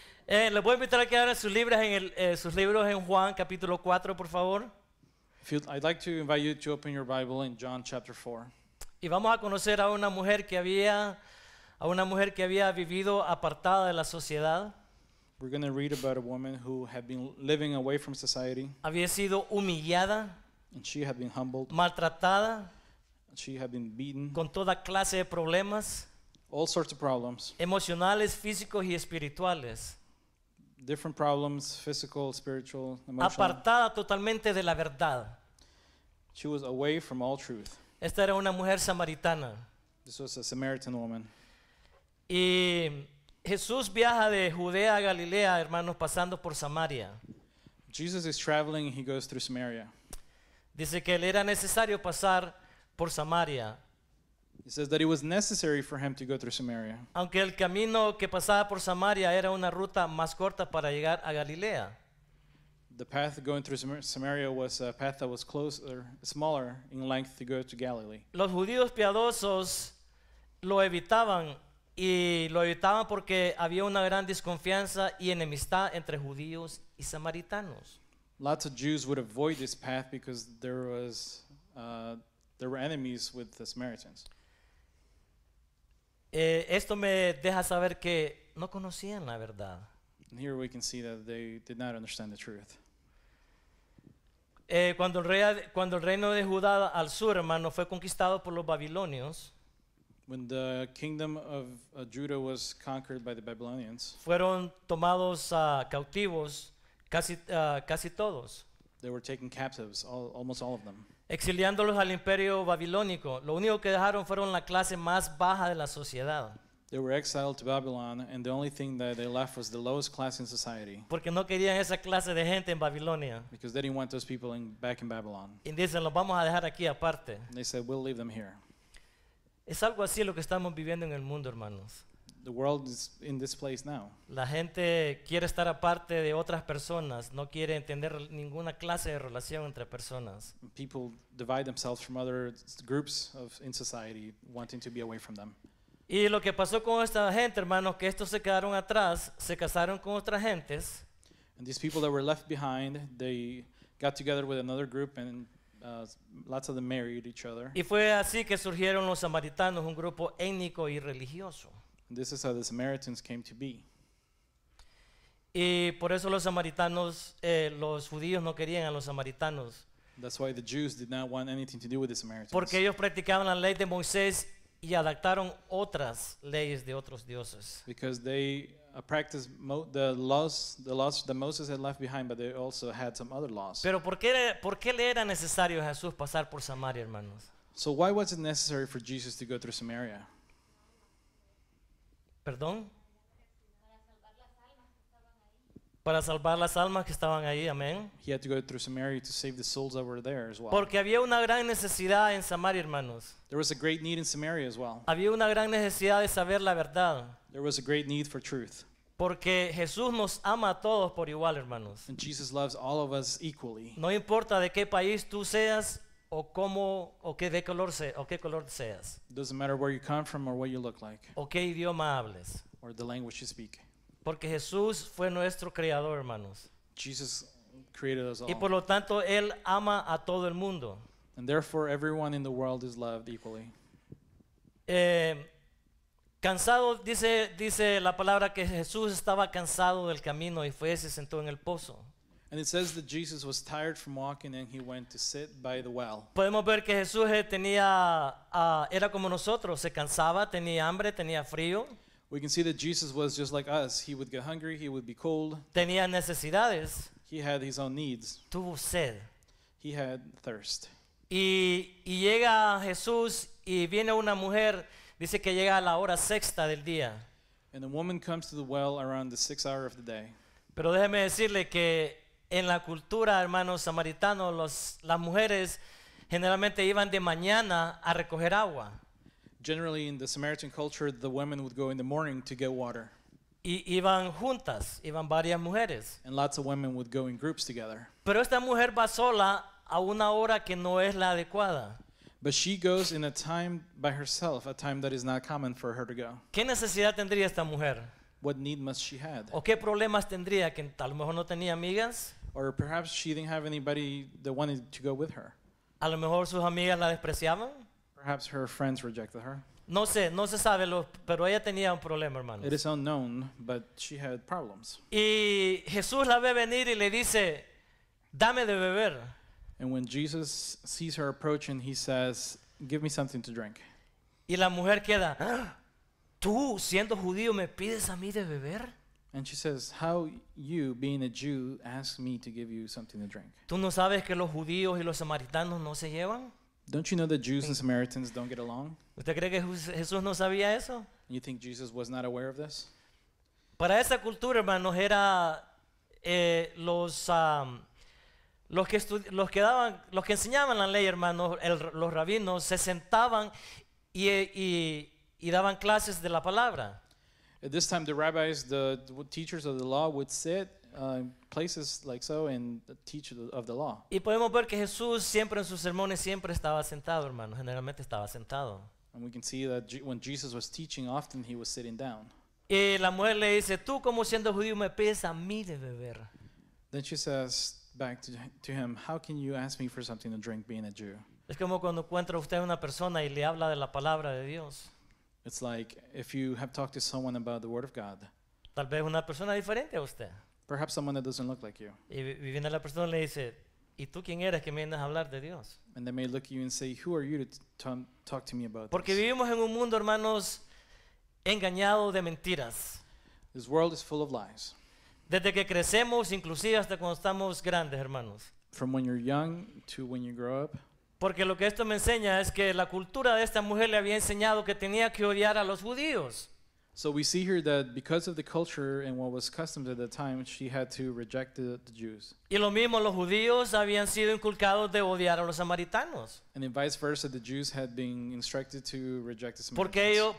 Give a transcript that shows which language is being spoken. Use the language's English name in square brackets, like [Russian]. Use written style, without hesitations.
[Spanish] Les voy a invitar a que abran sus libros en Juan capítulo 4, por favor. [English] I'd like to invite you to open your Bible in John chapter 4. [Spanish] Y vamos a conocer a una mujer que había vivido apartada de la sociedad. [English] We're going to read about a woman who had been living away from society. [Spanish] Había sido humillada. [English] And she had been humbled. [Spanish] Maltratada. [English] She had been beaten. [Spanish] Con toda clase de problemas. [English] All sorts of problems. [Spanish] Emocionales, físicos y espirituales. [English] Different problems, physical, spiritual, emotional. [Spanish] Apartada totalmente de la verdad. [English] She was away from all truth. [Spanish] Esta era una mujer samaritana. [English] This was a Samaritan woman. [Spanish] Y Jesús viaja de Judea a Galilea, hermanos, pasando por Samaria. [English] Jesus is traveling and he goes through Samaria. [Spanish] Dice que le era necesario pasar por Samaria. [English] He says that it was necessary for him to go through Samaria. [Spanish] Aunque el camino que pasaba por Samaria era una ruta más corta para llegar a Galilea. [English] The path going through Samaria was a path that was closer, smaller in length to go to Galilee. [Spanish] Los judíos piadosos lo evitaban, y lo evitaban porque había una gran desconfianza y enemistad entre judíos y samaritanos. [English] Lots of Jews would avoid this path because there were enemies with the Samaritans. [Spanish] Esto me deja saber que no conocían la verdad. [English] And here we can see that they did not understand the truth. [Spanish] Cuando el reino de Judá al sur, hermano, fue conquistado por los babilonios. [English] When the kingdom of Judah was conquered by the Babylonians. [Spanish] Fueron tomados cautivos casi todos. [English] They were taken captives, almost all of them. [Spanish] Exiliándolos al imperio babilónico. Lo único que dejaron fueron la clase más baja de la sociedad. [English] They were exiled to Babylon, and the only thing that they left was the lowest class in society. [Spanish] Porque no querían esa clase de gente en Babilonia. [English] Because they didn't want those people back in Babylon. [Spanish] Y dicen, los vamos a dejar aquí aparte. [English] And they said, we'll leave them here. [Spanish] Es algo así lo que estamos viviendo en el mundo, hermanos. [English] The world is in this place now. [Spanish] La gente quiere estar aparte de otras personas, no quiere entender ninguna clase de relación entre personas. [English] People divide themselves from other groups in society, wanting to be away from them. [Spanish] Y lo que pasó con esta gente, hermanos, que estos se quedaron atrás, se casaron con otras gentes. [English] And these people that were left behind, they got together with another group and lots of them married each other. [Spanish] Y fue así que surgieron los samaritanos, un grupo étnico y religioso. [English] And this is how the Samaritans came to be. [Spanish] Y por eso los samaritanos, los judíos no querían a los samaritanos. [English] That's why the Jews did not want anything to do with the Samaritans. [Spanish] Porque ellos practicaban la ley de Moisés y adaptaron otras leyes de otros dioses. [English] Because they practiced the laws that Moses had left behind, but they also had some other laws. [Spanish] Pero ¿por qué le era necesario a Jesús pasar por Samaria, hermanos? [English] So why was it necessary for Jesus to go through Samaria? [Spanish] Perdón. Para salvar las almas que estaban ahí, amén. [English] He had to go through Samaria to save the souls that were there as well. [Spanish] Porque había una gran necesidad en Samaria, hermanos. [English] There was a great need in Samaria as well. [Spanish] Había una gran necesidad de saber la verdad. [English] There was a great need for truth. [Spanish] Porque Jesús nos ama a todos por igual, hermanos. [English] And Jesus loves all of us equally. [Spanish] No importa de qué país tú seas o cómo o qué de color seas o qué color seas. [English] Doesn't matter where you come from or what you look like. [Spanish] O qué idioma hables. [English] Or the language you speak. [Spanish] Porque Jesús fue nuestro creador, hermanos. [English] Jesus created us all. [Spanish] Y por lo tanto, Él ama a todo el mundo. [English] And therefore, everyone in the world is loved equally. [Spanish] Cansado, dice la palabra que Jesús estaba cansado del camino y fue y se sentó en el pozo. [English] And it says that Jesus was tired from walking and he went to sit by the well. [Spanish] Podemos ver que Jesús tenía, era como nosotros, se cansaba, tenía hambre, tenía frío. [English] We can see that Jesus was just like us. He would get hungry, he would be cold. [Spanish] Tenía necesidades. [English] He had his own needs. [Spanish] Tuvo sed. [English] He had thirst. [Spanish] Y llega Jesús y viene una mujer, dice que llega a la hora sexta del día. [English] And a woman comes to the well around the sixth hour of the day. [Spanish] Pero déjeme decirle que en la cultura, hermanos samaritanos, las mujeres generalmente iban de mañana a recoger agua. [English] Generally, in the Samaritan culture, the women would go in the morning to get water. [Spanish] Y iban juntas, iban varias mujeres. [English] And lots of women would go in groups together. [Spanish] Pero esta mujer va sola a una hora que no es la adecuada. [English] But she goes in a time by herself, a time that is not common for her to go. [Spanish] ¿Qué necesidad tendría esta mujer? [English] What need must she have? [Spanish] ¿O qué problemas tendría? Que a lo mejor no tenía amigas. [English] Or perhaps she didn't have anybody that wanted to go with her. [Spanish] A lo mejor sus amigas la despreciaban. [English] Perhaps her friends rejected her. [Spanish] No sé, no se sabe, pero ella tenía un problema, hermanos. [English] It is unknown, but she had problems. [Spanish] Y Jesús la ve venir y le dice, dame de beber. [English] And when Jesus sees her approaching, he says, Give me something to drink. [Spanish] Y la mujer queda, ¿tú siendo judío me pides a mí de beber? [English] And she says, how you being a Jew ask me to give you something to drink? [Spanish] ¿Tú no sabes que los judíos y los samaritanos no se llevan? [English] Don't you know that Jews and Samaritans don't get along? [Spanish] ¿Usted cree que Jesús no sabía eso? [English] You think Jesus was not aware of this? [Spanish] Para esa cultura, hermanos, era los que enseñaban la ley, hermanos, los rabinos se sentaban y daban clases de la palabra. [English] At this time, the rabbis, the teachers of the law, would sit places like so and teach of the law. [Spanish] Y podemos ver que Jesús siempre en sus sermones siempre estaba sentado, hermano. Generalmente estaba sentado. [English] And we can see that when Jesus was teaching, often he was sitting down. [Spanish] Y la mujer le dice, tú como siendo judío me pides a mí de beber. [English] Then she says back to him, how can you ask me for something to drink being a Jew? [Spanish] Es como cuando encuentra usted una persona y le habla de la palabra de Dios. [English] It's like if you have talked to someone about the word of God. [Spanish] Tal vez una persona diferente a usted. [English] Perhaps someone that doesn't look like you. [Spanish] Y viene la persona y le dice, ¿y tú quién eres que me vienes a hablar de Dios? [English] And they may look at you and say, who are you to talk to me about [Spanish] Porque [English] this? [Spanish] Vivimos en un mundo, hermanos, engañado de mentiras. [English] This world is full of lies. [Spanish] Desde que crecemos, inclusive hasta cuando estamos grandes, hermanos. [English] From when you're young to when you grow up. [Spanish] Porque lo que esto me enseña es que la cultura de esta mujer le había enseñado que tenía que odiar a los judíos. [English] So we see here that because of the culture and what was customs at the time, she had to reject the Jews. [Spanish] Y lo mismo, los judíos habían sido inculcados de odiar a los samaritanos. [English] And then vice versa, the Jews had been instructed to reject the Samaritans.